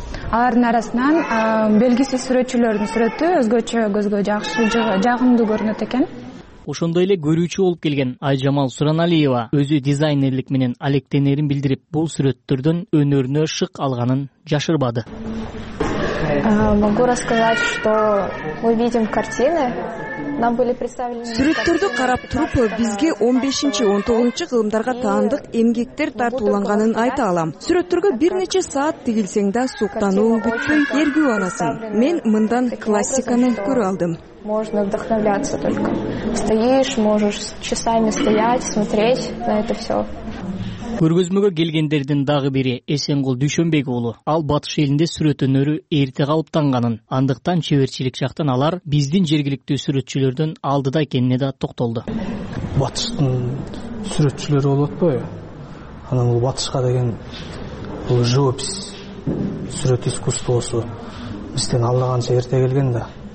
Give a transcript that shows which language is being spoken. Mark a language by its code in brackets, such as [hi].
[ky] Алардын арасынан белгисиз сүрөтчүлөрдүн сүрөтү өзгөчө көзгө жакшы жагымдуу көрүнөт экен. Ошондой эле көрүүчү болуп келген Айжамал Суранәлиева өзү дизайнерлик менен алектенерин билдирип, бул сүрөттөрдөн өнөрүнө шык алганын жашырбады. [ru] Могу рассказать, что мы видим картины. [ky] Сүрөттөрдү карап туруп, бизге 15-19 кылымдарга таандык эмгектер тартууланганын айта алам. Сүрөттөргө бир нече саат тигилсең да суктануу бүтпөй, эргүү аласың. Мен мындан классиканы көрө алдым. [ru] Можно вдохновляться только. Стоишь, можешь часами стоять, смотреть на это все. [ky] Көргөзмөгө келгендердин дагы бири Эсенгул Дүйшөнбек уулу. Ал Батыш элинде сүрөт өнөрү эрте калып таанганын, андыктан чеберчилик жактан алар биздин жергиликтүү сүрөтчүлөрдүн алдыда экенине да токтолду. Батыштын сүрөтчүлөрү болуп атпайбы? Анан бул Батышка деген бул живопись сүрөт искусствосу бизден аллаканча эрте келген да.